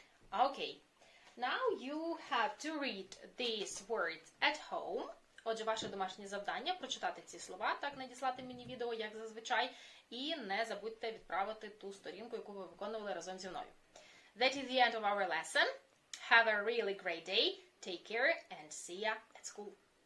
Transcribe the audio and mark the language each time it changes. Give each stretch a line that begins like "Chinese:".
English: Okay, now you have to read these words at home.
Ukrainian: Отже, ваше домашнє завдання – прочитати ці слова, так, надіслати мені відео, як зазвичай, і не забудьте відправити ту сторінку, яку ви виконували разом зі мною.
English: That is the end of our lesson. Have a really great day. Take care and see ya at school.